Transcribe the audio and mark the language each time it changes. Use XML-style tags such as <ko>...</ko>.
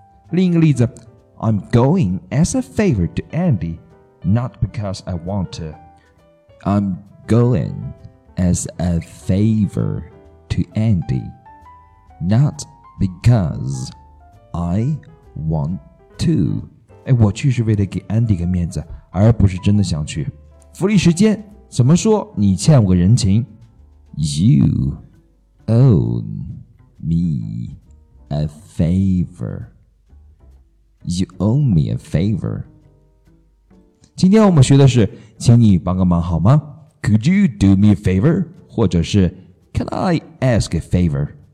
<zh>另一个例子</zh> <en>I'm going as a favor to Andy, not because I want to. I'm going as a favor to Andy, not becauseBecause I want to.</en> <zh>我去是为了给 Andy 个面子，而不是真的想去。福利时间，怎么说？你欠我个人情。</zh> <en>You owe me a favor. You owe me a favor.</en> <zh>今天我们学的是，请你帮个忙好吗？</zh> <en>Could you do me a favor?</en> <zh>或者是</zh> <en>Can I ask a favor?</en>